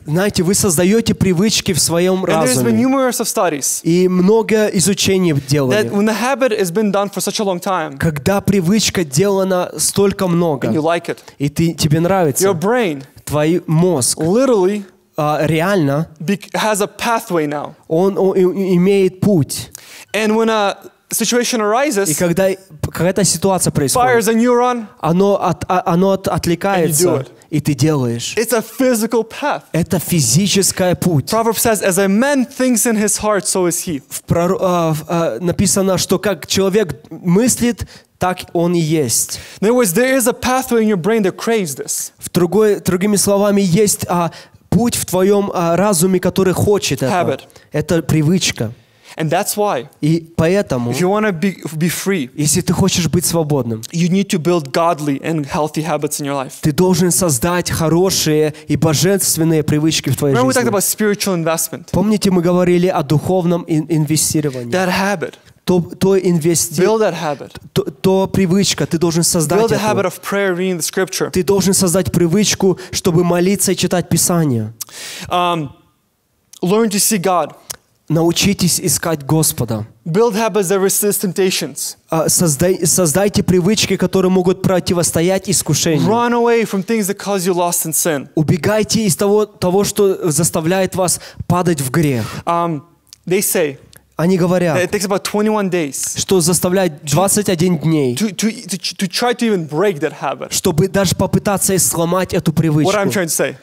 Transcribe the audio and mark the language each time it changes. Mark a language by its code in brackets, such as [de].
[ru] Знаете, вы создаете привычки в своем [en] and [ru] разуме. [en] There's been numerous of studies, [ru] и много изучений делали. [en] That when the habit has been done for such a long time, [ru] когда привычка делана столько много, [en] and you like it, [ru] и тебе нравится, [en] your brain, [ru] твой мозг, [en] literally, [ru] реально, [en] has a pathway now. [ru] Он имеет путь. [en] And when a situation arises, [ru] и когда какая-то ситуация происходит, оно отвлекается, и ты делаешь. Это физическая путь. [en] Proverbs says, as a man thinks in his heart, so is he. [ru] Написано, что как человек мыслит, так он и есть. [en] In other words, there is a pathway in your brain that craves this. [ru] Другими словами, есть путь в твоем разуме, который хочет этого. [en] Habit. [ru] Это привычка. [en] And that's why. [ru] И поэтому. [en] If you want to be free. [ru] Если ты хочешь быть свободным. [en] You need to build godly and healthy habits in your life. [ru] Ты должен создать хорошие и божественные привычки в твоей [en] Remember [ru] жизни. [en] Remember we talked about spiritual investment. [ru] Помните, мы говорили о духовном инвестировании. [en] That habit. Build that habit. [ru] То привычка, ты должен создать. [en] Build the habit of prayer, reading the scripture. [ru] Ты должен создать привычку, чтобы молиться и читать Писание. [en] Learn to see God. [ru] Научитесь искать Господа. [en] Build habits that resist temptations. [ru] Создайте привычки, которые могут противостоять искушению. [en] Run away from things that cause you lost in sin. [ru] Убегайте из того, что заставляет вас падать в грех. [en] They say. [ru] Они говорят, [en] it takes about 21 days, [ru] что заставляет 21 дней, [en] try to even break that habit. [ru] Чтобы даже попытаться сломать эту привычку. [en] What I'm trying to say,